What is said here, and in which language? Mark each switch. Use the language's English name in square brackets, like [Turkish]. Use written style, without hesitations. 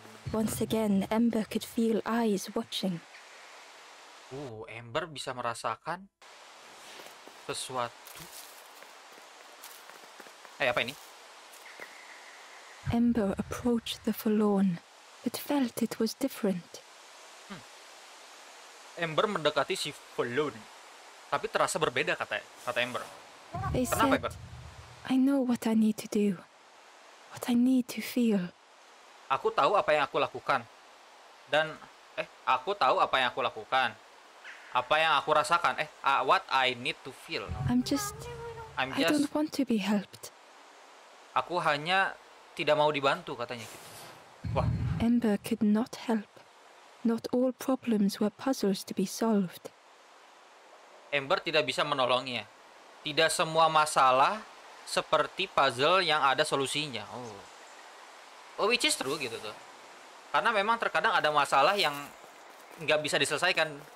[English] Once again, Ember could feel eyes watching. [Indonesian] Ember bisa merasakan sesuatu. Apa ini? [English] Ember approached the Forlorn, but felt it was different. [Indonesian] Ember mendekati si Forlorn, tapi terasa berbeda, kata Ember. [English] They [Indonesian] kenapa, [English] said, [Indonesian] Ember? [English] I know what I need to do. What I need to feel. [Indonesian] Aku tahu apa yang aku lakukan. Aku tahu apa yang aku lakukan. Apa yang aku rasakan. [English] What I need to feel. I'm just... I don't want to be helped. [Indonesian] Aku hanya tidak mau dibantu, katanya. Wah. [English] Ember could not help. Not all problems were puzzles to be solved. [Indonesian] Ember tidak bisa menolongnya. Tidak semua masalah seperti puzzle yang ada solusinya. [English] Oh, which is true [Indonesian] gitu tuh. Karena memang terkadang ada masalah yang nggak bisa diselesaikan.